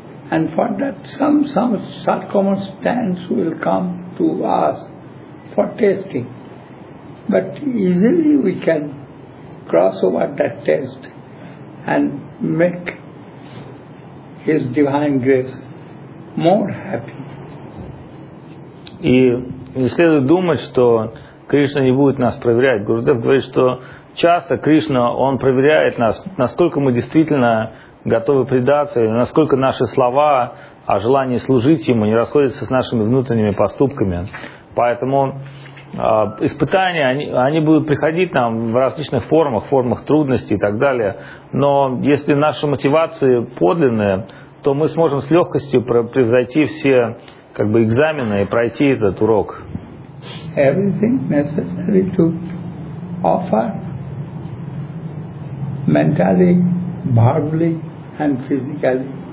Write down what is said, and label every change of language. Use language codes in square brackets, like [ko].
[en] And for that some circumstance will come to us for testing, but easily we can cross over that test and make His divine grace more happy. [ru] И не следует думать, что Кришна не будет нас проверять. Гурудев говорит, что часто Кришна, Он проверяет нас, насколько мы действительно готовы предаться, насколько наши слова о желании служить Ему не расходятся с нашими внутренними поступками. Поэтому испытания, они будут приходить нам в различных формах, формах трудностей и так далее. Но если наши мотивации подлинные, то мы сможем с легкостью превзойти все как бы, экзамены и пройти этот урок. [en] Everything necessary to offer mentally, verbally and physically.